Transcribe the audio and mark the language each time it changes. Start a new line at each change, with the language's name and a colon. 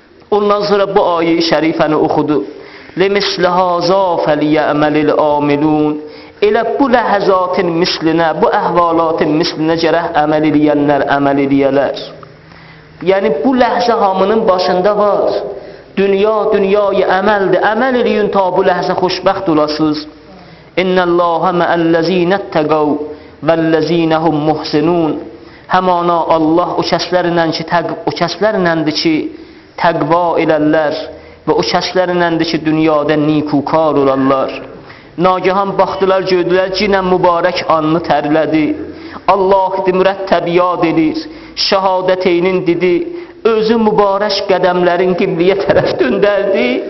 Azerbaijani: Ondan sonra bu ayı şərifəni oxudu.
Arabic: لِمِسْلِ هَذَا فَلْيَعْمَلِ الْعَامِلُونَ
Azerbaijani: Elə bu ləhəzatın mislinə, bu əhvalatın mislinə gərək əməl edənlər əməl edəyələr. Yəni, bu ləhzə hamının başında var. Dünya, dünyayı əməldir. Əməl edin ta bu ləhzə xoşbəxt olasız.
Arabic: اِنَّ اللَّهَ مَا الَّذ۪ينَ اتَّقَوْ وَالَّذ۪ينَ هُمْ مُحْسِنُونَ
Azerbaijani: Həmana Allah o kəslərləndir ki, təqva elərlər. Və o kəslərləndir ki, dünyada nikukar olanlar. Nagihan baxdılar, gördülər, cinə mübarək anını tərlədi. Allah mürəttəbiyyat edir. Şəhadətinin dedi, özü mübarək qədəmlərin qibliyə tərəf döndərdi.